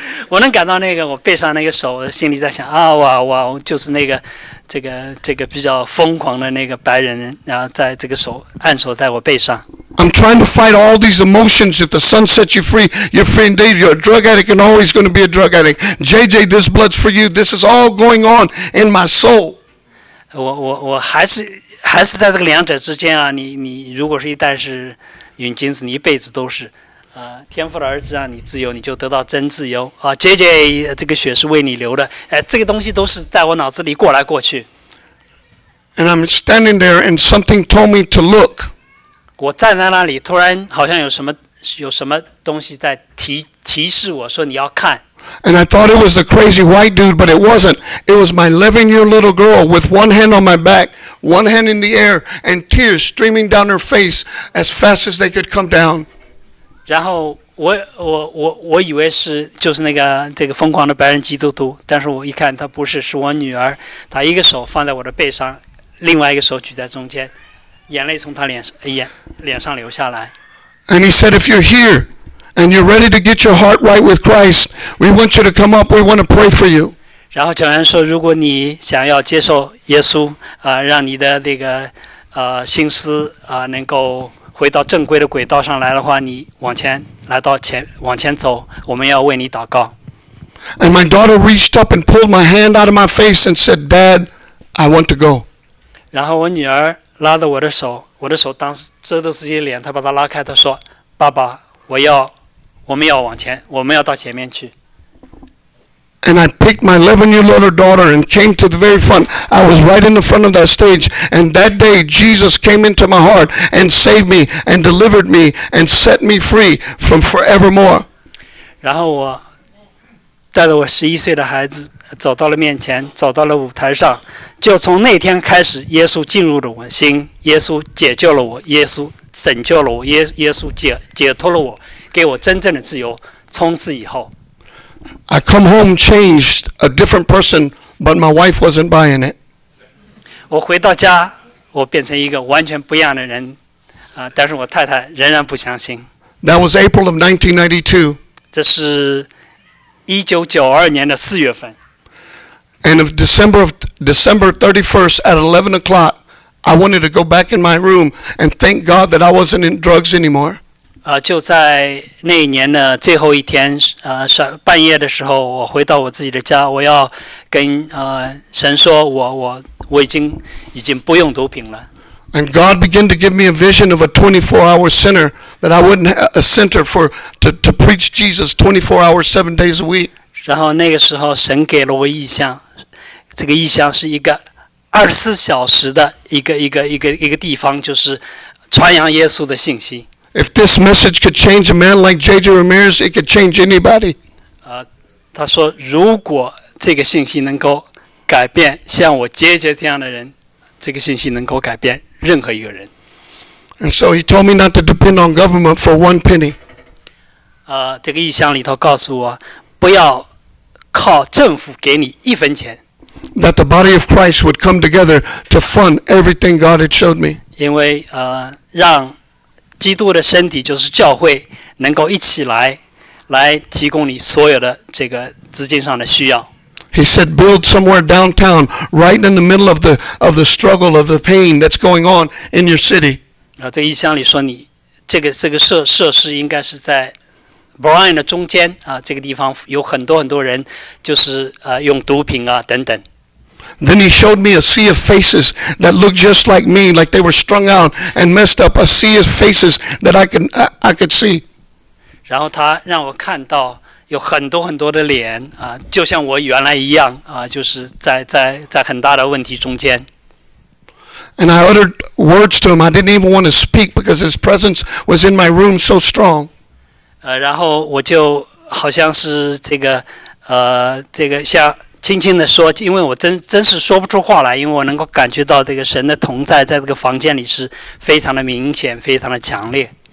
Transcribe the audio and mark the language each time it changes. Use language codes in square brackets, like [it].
[zh] 我能感到那个我背上那个手，我心里在想啊，哇，就是那个这个比较疯狂的那个白人，然后在这个手按手在我背上。 [en] I'm trying to fight all these emotions. If the sun sets you free, you're free indeed. You're a drug addict and always going to be a drug addict. JJ, this blood's for you. This is all going on in my soul. [zh] 我还是在这个两者之间啊，你如果是一旦是瘾君子，你一辈子都是。天父的儿子让你自由，你就得到真自由。JJ, 这个血是为你流的。这个东西都是在我脑子里过来过去。 [en] And I'm standing there, and something told me to look. [zh] 我站在那里，突然好像有什么东西在提示我说你要看。 [en] And I thought it was the crazy white dude, but it wasn't. It was my 11-year little girl with one hand on my back, one hand in the air, and tears streaming down her face as fast as they could come down. [zh] 然后我以为是就是那个这个疯狂的白人基督徒，但是我一看他不是，是我女儿。她一个手放在我的背上，另外一个手举在中间，眼泪从她脸上流下来。 [en] And he said, if you're here and you're ready to get your heart right with Christ, we want you to come up. We want to pray for you. [zh] 然后教员说，如果你想要接受耶稣让你的这个心思能够。回到正规的轨道上来的话，你往前来到前往前走，我们要为你祷告。 [en] And my daughter reached up and pulled my hand out of my face and said, "Dad, I want to go." [zh] 然后我女儿拉着我的手，我的手当时遮着自己的脸，她把她拉开，她说，爸爸，我们要往前，我们要到前面去。 [en] And I picked my 11-year little daughter and came to the very front. I was right in the front of that stage. And that day, Jesus came into my heart and saved me and delivered me and set me free from forevermore. [zh] 然后我带着我11岁的孩子走到了面前，走到了舞台上。就从那天开始，耶稣进入了我心，耶稣解救了我，耶稣拯救了我，耶稣解脱了我，给我真正的自由。从此以后 [en] I come home changed, a different person, but my wife wasn't buying it. [zh] 我回到家，我变成一个完全不一样的人，但是我太太仍然不相信。 [en] That was April of 1992. [zh] 这是1992年的4月份。 [en] And of December 31st at 11 o'clock, I wanted to go back in my room and thank God that I wasn't in drugs anymore. [zh] 就在那一年的最后一天，半夜的时候，我回到我自己的家，我要跟神说，我已经不用毒品了。 [en] And God began to give me a vision of a 24-hour center that I wouldn't have a center for to preach Jesus 24 hours, 7 days a week. [zh] 然后那个时候，神给了我意象，这个意象是一个24小时的一个地方，就是传扬耶稣的信息。 [en] If this message could change a man like J.J. Ramirez, it could change anybody. [zh] 他说如果这个信息能够改变像我J.J. 这样的人，这个信息能够改变任何一个人。 [en] And so he told me not to depend on government for one penny. [zh] 这个意象里头告诉我，不要靠政府给你一分钱。 [en] That the body of Christ would come together to fund everything God had showed me. [zh] 因为让基督的身体就是教会能够一起来提供你所有的这个资金上的需要。 [en] He said, build somewhere downtown, right in the middle of the struggle of the pain that's going on in your city. [zh] 这一箱里说你这个设施应该是在 Brian 的中间这个地方有很多很多人就是用毒品等等。 [en] Then he showed me a sea of faces that looked just like me, like they were strung out and messed up. A sea of faces that I could see. [zh] 然后他让我看到有很多很多的脸就像我原来一样就是在很大的问题中间。 [en] And I uttered words to him. I didn't even want to speak because his presence was in my room so strong. [zh] 然后我就好像是这个像。轻轻地说，因为我真是说不出话来，因为我能够感觉到这个神的同在，在这个房间里是非常的明显，非常的强烈。